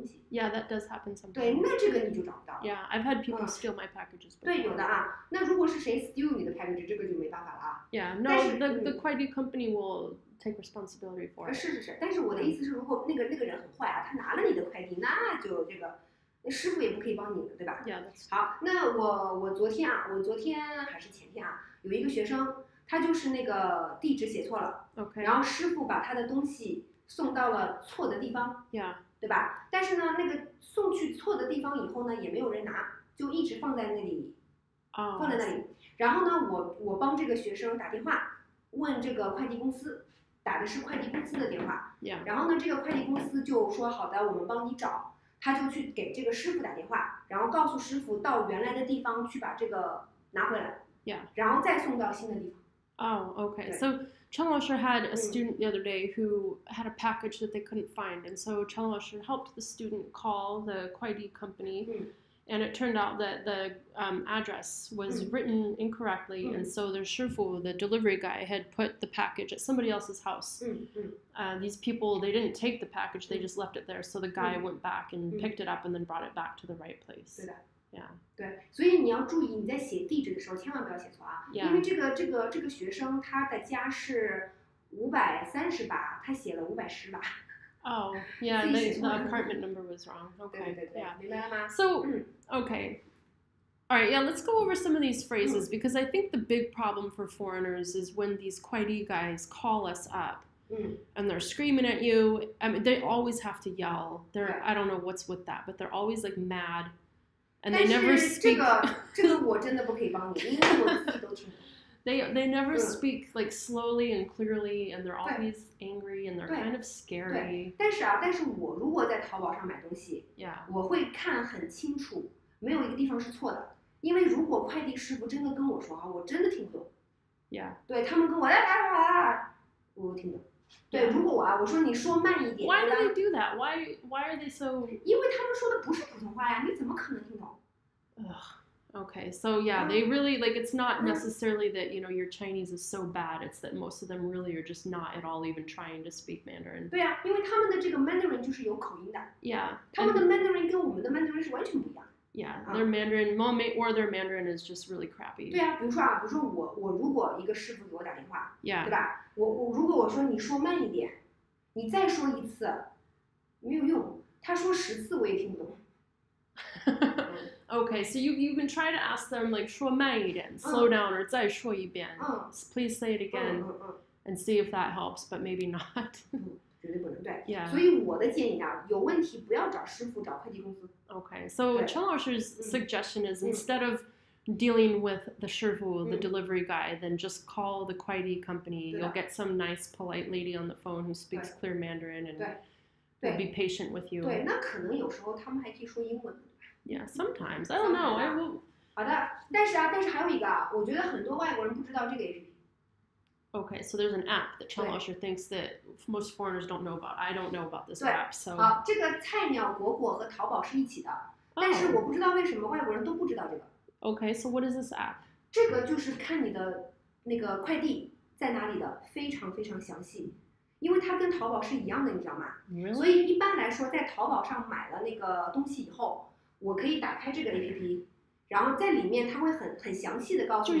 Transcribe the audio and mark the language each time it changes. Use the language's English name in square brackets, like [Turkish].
[English] Yeah, that does happen sometimes. Yeah, I've had people steal my packages before. [Chinese] 对, 有的啊。那如果是谁 [English] steal [Chinese] 你的 [English] package, [Chinese] 这个就没办法了。 [English] Yeah, no, the Kuaidi company will take responsibility for it. [Chinese] 是是是，但是我的意思是如果那个人很坏啊，他拿了你的快递，那就这个师傅也不可以帮你的，对吧？ [English] Yeah, that's... [Chinese] 好，那我昨天啊，我昨天还是前天啊，有一个学生，他就是那个地址写错了， [English] okay. [Chinese] 然后师傅把他的东西送到了错的地方， [English] yeah. [Chinese] 对吧？但是呢，那个送去错的地方以后呢，也没有人拿，就一直放在那里， [English] oh. [Chinese] 放在那里。然后呢，我帮这个学生打电话，问这个快递公司，打的是快递公司的电话， [English] yeah. [Chinese] 然后呢，这个快递公司就说好的，我们帮你找。他就去给这个师傅打电话，然后告诉师傅到原来的地方去把这个拿回来， [English] yeah. [Chinese] 然后再送到新的地方。 [English] Oh, okay. So Chen Laoshi had a student the other day who had a package that they couldn't find, and so Chen Laoshi helped the student call the Kuaidi company, and it turned out that the address was written incorrectly, and so the shifu, the delivery guy, had put the package at somebody else's house. These people, they didn't take the package, they just left it there, so the guy went back and picked it up and then brought it back to the right place. Yeah. [Chinese] 对，所以你要注意，你在写地址的时候千万不要写错啊， [English] yeah. [Chinese] 因为这个学生他的家是530吧，他写了510吧。 [English] Oh, yeah, the apartment number was wrong. Okay, [Chinese] 对, [English] yeah. [Chinese] 明白了吗? [English] So, okay. All right, yeah, let's go over some of these phrases, because I think the big problem for foreigners is when these Kuaidi guys call us up. And they're screaming at you. I mean, they always have to yell. They're, I don't know what's with that, but they're always like mad. And they never speak. [Chinese] 这个我真的不可以帮你，因为我自己都听不懂。 [English] They never speak like slowly and clearly, and they're always angry and they're kind of scary. [Chinese] 对，但是啊，但是我如果在淘宝上买东西， [English] yeah. [Chinese] 我会看很清楚，没有一个地方是错的。因为如果快递师傅真的跟我说啊，我真的听不懂。 [English] Yeah. [Chinese] 对他们跟我来来来来，我听不懂。对，如果我啊，我说你说慢一点。 [English] Why do they do that? Why are they so? [Chinese] 因为他们说的不是普通话呀，你怎么可能听懂？ [English] Okay, so yeah, they really, like, it's not necessarily that, you know, your Chinese is so bad, it's that most of them really are just not at all even trying to speak Mandarin. [Chinese] 对啊，因为他们的这个 Mandarin 就是有口音的。 [English] Yeah. [Chinese] 他们的 Mandarin 跟我们的 Mandarin 是完全不一样的。 [English] Yeah, their Mandarin, or their Mandarin is just really crappy. [Chinese] 对啊，比如说啊，比如说我如果一个师傅给我打电话， [English] yeah. [Chinese] 对吧？我如果我说你说慢一点，你再说一次，没有用，他说十次我也听不懂。 [English] Okay, so you can try to ask them, like, [Chinese] 说慢一点, [English] slow down, or [Chinese] 再说一遍, [English] please say it again, and see if that helps, but maybe not. [Chinese] 绝对不能, 对。 [English] Yeah. [Chinese] 所以我的建议啊, 有问题不要找师傅, 找快递公司。 [English] Okay, so Chen Laoshi's suggestion is instead of dealing with the shifu, the delivery guy, then just call the Kuaidi company. You'll get some nice, polite lady on the phone who speaks clear Mandarin and will be patient with you. [Chinese] 对, 那可能有时候他们还可以说英文。 [English] Yeah, sometimes. I don't know. I will... [Chinese] 好的，但是啊，但是还有一个，我觉得很多外国人不知道这个 APP. [English] Okay, so there's an app that Chen Laoshi thinks that most foreigners don't know about. I don't know about this app, so... [Chinese] 好，这个菜鸟果果和淘宝是一起的，但是我不知道为什么外国人都不知道这个。 [English] Okay, so what is this app? [Chinese] 这个就是看你的那个快递在哪里的，非常非常详细。因为它跟淘宝是一样的，你知道吗？ [English] Really? [Chinese] 所以一般来说，在淘宝上买了那个东西以后，我可以打开这个 APP， 然后在里面它会很详细的告诉你，